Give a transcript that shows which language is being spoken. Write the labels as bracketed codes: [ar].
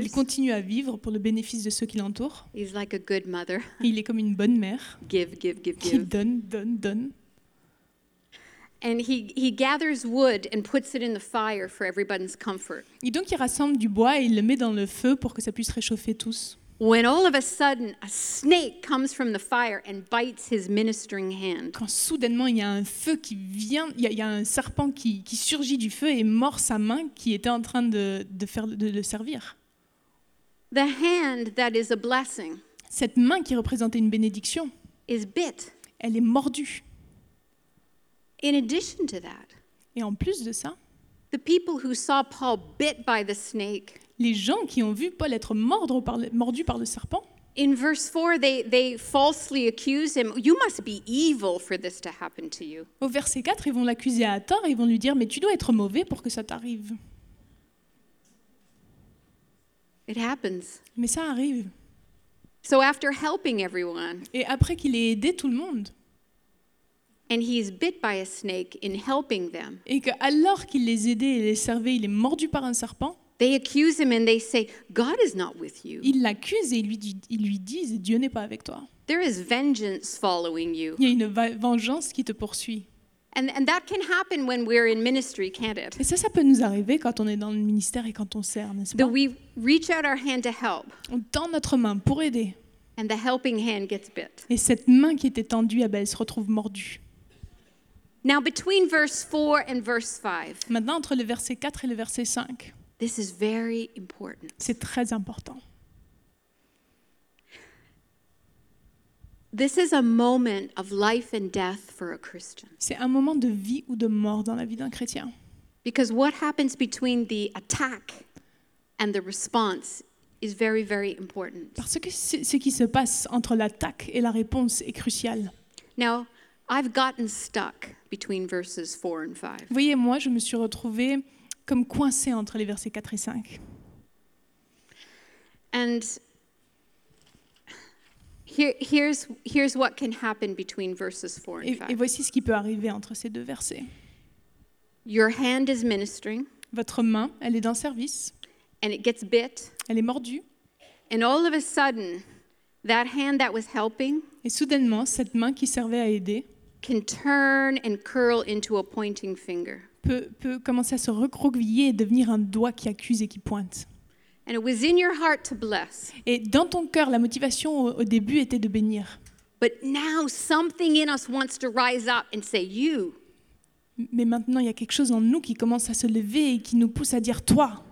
[fr] Il continue à vivre pour le bénéfice de ceux qui l'entourent. [en] He's like a good mother. [fr] Il est comme une bonne mère. [en] Give, give, give, [fr] qui [en] give. [fr] Donne. [en] And he gathers wood and puts it in the fire for everybody's comfort. [fr] Et donc il rassemble du bois et il le met dans le feu pour que ça puisse réchauffer tous. [en] When all of a sudden a snake comes from the fire and bites his ministering hand. [fr] Quand soudainement il y a un feu qui vient, il y a un serpent qui surgit du feu et mord sa main qui était en train de le servir. [en] The hand that is a blessing. [fr] Cette main qui représentait une bénédiction. [en] Is bit. [fr] Elle est mordue. [en] In addition to that. [fr] Et en plus de ça. [en] The people who saw Paul bit by the snake. [fr] Les gens qui ont vu Paul être mordu par le serpent. [en] In verse 4, they falsely accuse him. You must be evil for this to happen to you. [fr] Au verset 4, ils vont l'accuser à tort et vont lui dire, mais tu dois être mauvais pour que ça t'arrive. [en] It happens. [fr] Mais ça arrive. [en] So after helping everyone. [fr] Et après qu'il ait aidé tout le monde. [en] And he is bit by a snake in helping them. [fr] Et que alors qu'il les aidait et les servait, il est mordu par un serpent. [en] They accuse him and they say, God is not with you. [fr] Ils l'accusent et ils lui disent, Dieu n'est pas avec toi. [en] There is vengeance following you. [fr] Il y a une vengeance qui te poursuit. [en] And that can happen when we're in ministry, can't it? [fr] Et ça peut nous arriver quand on est dans le ministère et quand on sert, n'est-ce pas? [en] That we reach out our hand to help. [fr] On tend notre main pour aider. [en] And the helping hand gets bit. [fr] Et cette main qui était tendue, elle se retrouve mordue. [en] Now between verse 4 and verse 5. [fr] Maintenant entre le verset 4 et le verset 5. [en] This is very important. [fr] C'est très important. [en] This is a moment of life and death for a Christian. [fr] C'est un moment de vie ou de mort dans la vie d'un chrétien. [en] Because what happens between the attack and the response is very, very important. [fr] Parce que ce qui se passe entre l'attaque et la réponse est crucial. [en] Now, I've gotten stuck between verses 4 and 5. [fr] Vous voyez, moi, je me suis retrouvée comme coincé entre les versets 4 et 5. [en] And here's what can happen between verses 4 and 5. [fr] Et voici ce qui peut arriver entre ces deux versets. [en] Your hand is ministering. [fr] Votre main, elle est dans service. [en] And it gets bit. [fr] Elle est mordue. [en] And all of a sudden, that hand that was helping. [fr] Et soudainement, cette main qui servait à aider [en] can turn and curl into a pointing finger. [fr] Peut commencer à se recroqueviller et devenir un doigt qui accuse et qui pointe. [en] And it was in your heart to bless. [fr] Et dans ton cœur, la motivation au début était de bénir. [en] But now something in us wants to rise up and say you. [fr] Mais maintenant, il y a quelque chose en nous qui commence à se lever et qui nous pousse à dire toi.